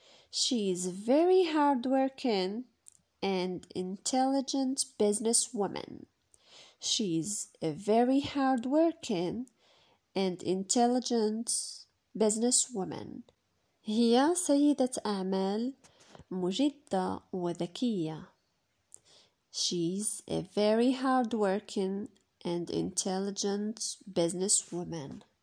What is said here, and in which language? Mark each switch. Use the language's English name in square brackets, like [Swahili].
[English] She is very hard working and intelligent businesswoman. She is a very hard working and intelligent businesswoman. [Arabic] هي سيدة أعمال مجدة وذكية. [English] She's a very hard-working and intelligent businesswoman.